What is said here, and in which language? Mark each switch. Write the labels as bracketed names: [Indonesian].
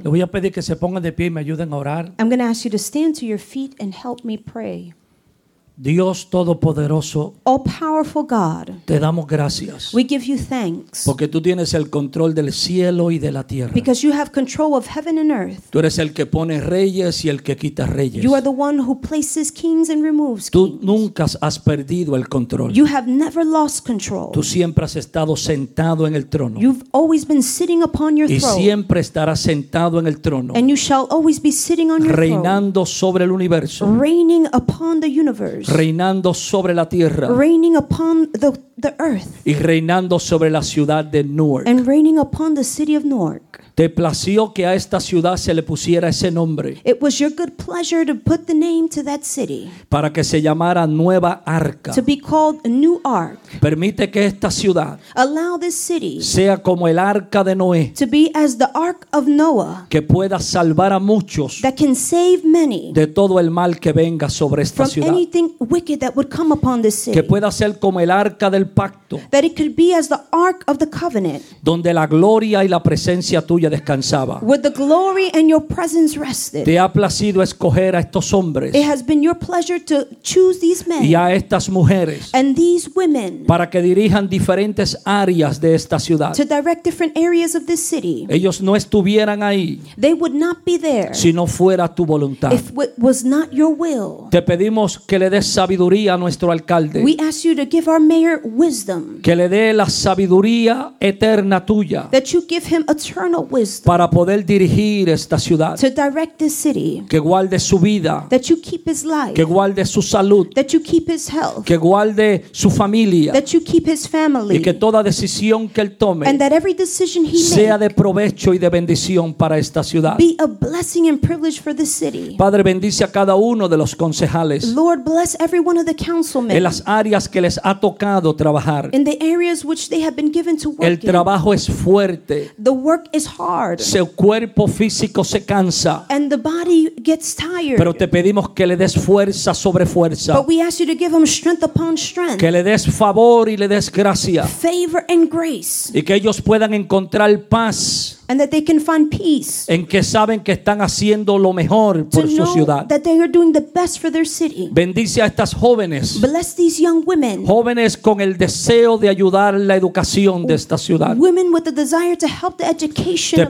[Spanish] Le voy a pedir que se pongan de pie y me ayuden a orar. [English] I'm going to ask you to stand to your feet and help me pray. [Spanish] Dios Todopoderoso, [English] oh powerful God, [Spanish] te damos gracias. [English] We give you thanks. [Spanish] Porque tú tienes el control del cielo y de la tierra. [English] Because you have control of heaven and earth. [Spanish] Tú eres el que pone reyes y el que quita reyes. [English] You are the one who places kings and removes kings. [Spanish] Tú nunca has perdido el control. [English] You have never lost control. [Spanish] Tú siempre has estado sentado en el trono. [English] You've always been sitting upon your throne. [Spanish] Y siempre estarás sentado en el trono. [English] And you shall always be sitting on your throne. [Spanish] Reinando sobre el universo. [English] Reigning upon the universe. [Spanish] Reinando sobre la tierra. [English] Reigning upon the earth. [Spanish] Y reinando sobre la ciudad de Newark. [English] And reigning upon the city of Newark. [Spanish] Te plació que a esta ciudad se le pusiera ese nombre. [English] It was your good pleasure to put the name to that city. [Spanish] Para que se llamara Nueva Arca. [English] To be called New Ark. [Spanish] Permite que esta ciudad. [English] Allow this city. [Spanish] Sea como el arca de Noé. [English] To be as the ark of Noah. [Spanish] Que pueda salvar a muchos. [English] That can save many. [Spanish] De todo el mal que venga sobre esta ciudad. [English] From anything wicked that would come upon this city. [Spanish] Que pueda ser como el arca del pacto. [English] That it could be as the ark of the covenant. [Spanish] Donde la gloria y la presencia tuya descansaba. [English] With the glory and your presence rested. [Spanish] Te ha placido escoger a estos hombres. [English] It has been your pleasure to choose these men. [Spanish] Y a estas mujeres. [English] And these women. [Spanish] Para que dirijan diferentes áreas de esta ciudad. [English] To direct different areas of this city. [Spanish] Ellos no estuvieran ahí. [English] They would not be there. [Spanish] Si no fuera tu voluntad. [English] If it was not your will. [Spanish] Te pedimos que le des sabiduría a nuestro alcalde. [English] We ask you to give our mayor wisdom. [Spanish] Que le dé la sabiduría eterna tuya. [English] That you give him eternal wisdom, [Spanish] para poder dirigir esta ciudad, [English] to direct this city, [Spanish] que guarde su vida, [English] that you keep his life, [Spanish] que guarde su salud, [English] that you keep his health, [Spanish] que guarde su familia, [English] that you keep his family, [Spanish] y que toda decisión que él tome, [English] and that every decision he [Spanish] sea de provecho y de bendición para esta ciudad, [English] be a blessing and privilege for this city. [Spanish] Padre, bendice a cada uno de los concejales, [English] Lord, bless every one of the councilmen, [Spanish] en las áreas que les ha tocado trabajar. trabajar. [English] In the areas which they have been given to work. [Spanish] El trabajo es fuerte. [English] The work is hard. [Spanish] Su cuerpo físico se cansa. [English] And the body gets tired. [Spanish] Pero te pedimos que le des fuerza sobre fuerza. [English] But we ask you to give them strength upon strength. [Spanish] Que le des favor y le des gracia. [English] Favor and grace. [Spanish] Y que ellos puedan encontrar paz. [English] And that they can find peace. [Spanish] En que saben que están haciendo lo mejor por su ciudad. [English] That they are doing the best for their city. [Spanish] Bendice a estas jóvenes. [English] Bless these young women. [Spanish] Jóvenes con el deseo de ayudar la educación de esta ciudad. [English] Women with the desire to help the education